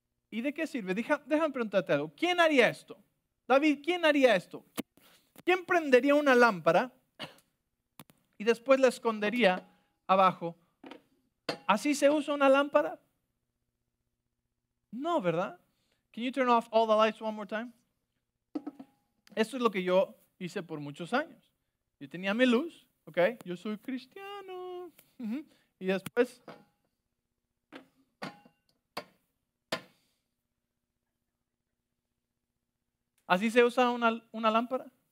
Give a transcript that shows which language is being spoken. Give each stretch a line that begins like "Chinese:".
Spanish: ¿Y de qué sirve? Déjame preguntarte algo. ¿Quién haría esto? David, ¿quién haría esto? ¿Quién prendería una lámpara y después la escondería abajo? ¿Así se usa una lámpara? No, ¿verdad?
English: Can you turn off all the lights one more time?
Spanish: Esto es lo que yo hice por muchos años. Yo tenía mi luz, ¿ok? Yo soy cristiano. Y después, ¿así se usa una lámpara?